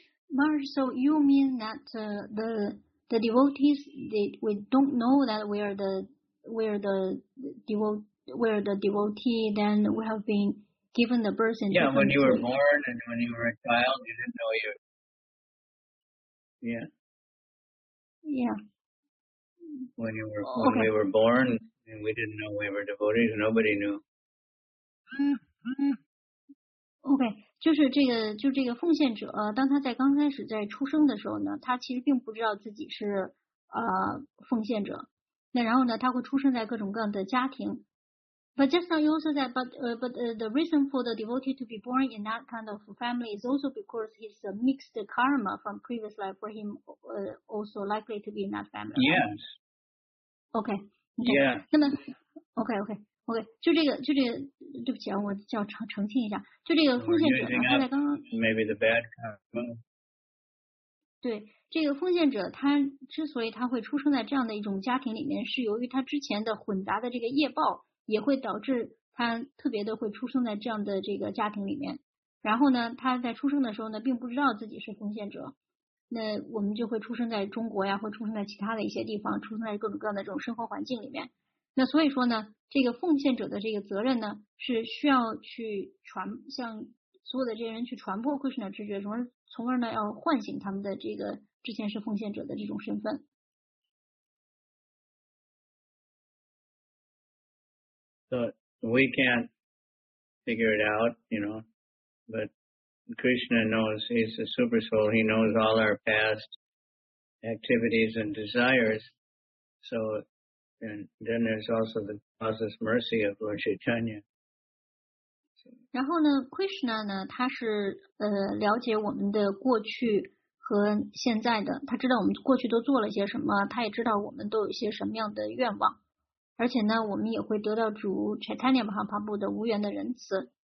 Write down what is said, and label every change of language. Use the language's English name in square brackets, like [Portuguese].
[English] Marge, so you mean that the devotees, we don't know that we are the devotee, then we have been given the birth in different countries. Yeah, when you were born and when you were a child, you didn't know you. Yeah. Yeah. When we were born, and we didn't know we were devotees, nobody knew. [Chinese] Okay, 就这个奉献者，当他在刚开始在出生的时候呢，他其实并不知道自己是奉献者。那然后呢，他会出生在各种各样的家庭。 [English] But just now you also said, but the reason for the devotee to be born in that kind of family is also because he's a mixed karma from previous life for him, also likely to be in that family. Yes. Okay. Yeah. [Chinese] 那么，OK， 就这个，对不起啊，我叫澄清一下，就这个奉献者，他在刚刚 [English] maybe the bad karma. [Chinese] 对，这个奉献者他之所以他会出生在这样的一种家庭里面，是由于他之前的混杂的这个业报。也会导致他特别的会出生在这样的这个家庭里面，然后呢，他在出生的时候呢，并不知道自己是奉献者，那我们就会出生在中国呀，会出生在其他的一些地方，出生在各种各样的这种生活环境里面。那所以说呢，这个奉献者的这个责任呢，是需要去传向所有的这些人去传播 Krishna 知觉，从而呢，要唤醒他们的这个之前是奉献者的这种身份。 [English] So we can't figure it out, you know, but Krishna knows, he's the super soul, he knows all our past activities and desires. So, and then there's also the causeless mercy of Lord Chaitanya. [Chinese] 然后呢 ,Krishna 呢他是了解我们的过去和现在的，他知道我们过去都做了些什么，他也知道我们都有一些什么样的愿望。而且呢，我们也会得到主 Chaitanya Mahaprabhu 的无缘的仁慈。